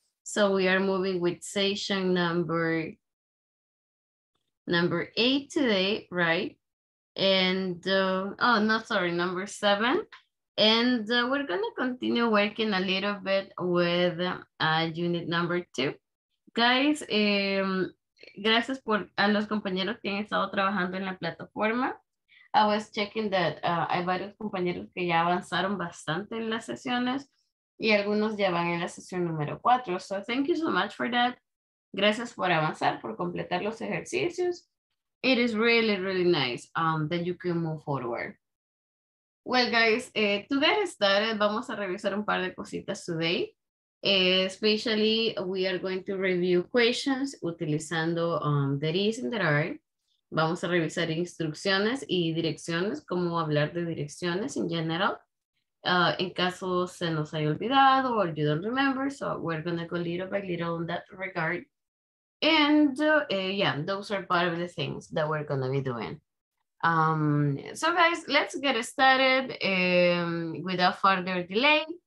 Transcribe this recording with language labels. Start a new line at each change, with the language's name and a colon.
English: So we are moving with session number 8 today, right? And, number 7. And we're gonna continue working a little bit with unit number 2.
Spanish: Guys, gracias por a los compañeros que han estado trabajando en la plataforma.
English: I was checking that
Spanish: hay varios compañeros que ya avanzaron bastante en las sesiones y algunos ya van en la sesión número 4.
English: So thank you so much for that.
Spanish: Gracias por avanzar, por completar los ejercicios.
English: It is really, really nice that you can move forward. Well, guys, to get started,
Spanish: vamos a revisar un par de cositas
English: today. Especially, we are going to review questions utilizando there is and there are.
Spanish: Vamos a revisar instrucciones y direcciones, cómo hablar de direcciones
English: in general.
Spanish: En caso se nos haya olvidado
English: or you don't remember, so we're going to go little by little in that regard. And those are part of the things that we're going to be doing. So guys, let's get started without further delay.